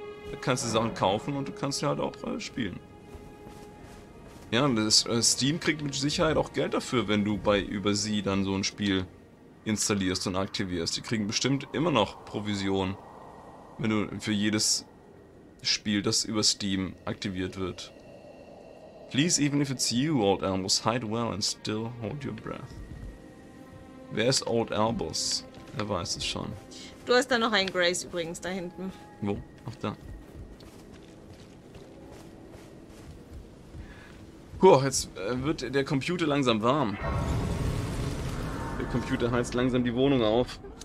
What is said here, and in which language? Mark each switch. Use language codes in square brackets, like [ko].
[de] Da kannst du Sachen kaufen und du kannst ja halt auch spielen. Ja, das Steam kriegt mit Sicherheit auch Geld dafür, wenn du bei über sie dann so ein Spiel installierst und aktivierst. Die kriegen bestimmt immer noch Provision, wenn du für jedes Spiel, das über Steam aktiviert wird. [en] Please, even if it's you, Old Albus, hide well and still hold your breath. [de] Wer ist Old Albus? Wer weiß es schon. Du hast da noch einen Grace übrigens, da hinten. Wo? Ach da. Puh, jetzt wird der Computer langsam warm. Der Computer heizt langsam die Wohnung auf.